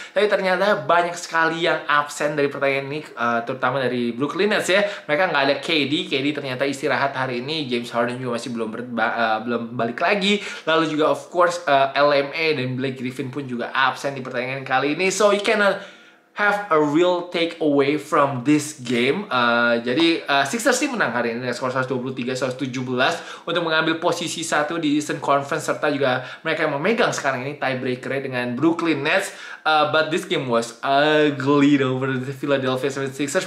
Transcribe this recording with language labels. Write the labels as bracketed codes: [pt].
[id] Tapi ternyata banyak sekali yang absen dari pertandingan ini, terutama dari Brooklyn Nets ya. Mereka nggak ada KD. KD ternyata istirahat hari ini. James Harden juga masih belum balik lagi. Lalu juga [en] of course [id] LMA dan Blake Griffin pun juga absen di pertandingan kali ini. [en] So you cannot have a real take away from this game. [id] Sixers sih menang hari ini dengan skor 123-117 untuk mengambil posisi 1 di Eastern Conference, serta juga mereka yang memegang sekarang ini tiebreaker dengan Brooklyn Nets. [en] But this game was ugly over the Philadelphia 76ers.